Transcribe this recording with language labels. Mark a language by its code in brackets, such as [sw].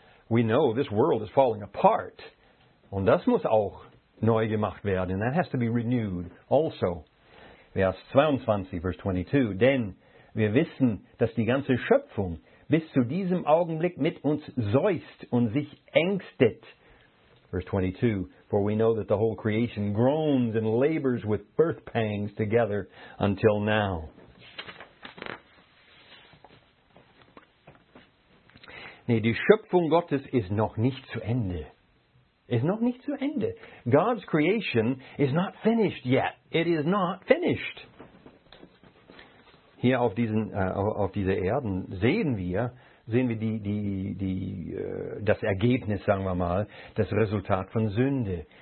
[en] We know this world is falling apart. [de] Und das muss auch neu gemacht werden. [en] And that has to be renewed also. Vers 22, verse 22. [de] Denn wir wissen, dass die ganze Schöpfung bis zu diesem Augenblick mit uns seufzt und sich ängstet. [en] Verse 22. For we know that the whole creation groans and labors with birth pangs together until now. [de] Nee, die Schöpfung Gottes ist noch nicht zu Ende. Ist noch nicht zu Ende. [en] God's creation is not finished yet. It is not finished. [de] Hier auf diesen auf dieser Erden sehen wir das Ergebnis, sagen wir mal, das Resultat von Sünde.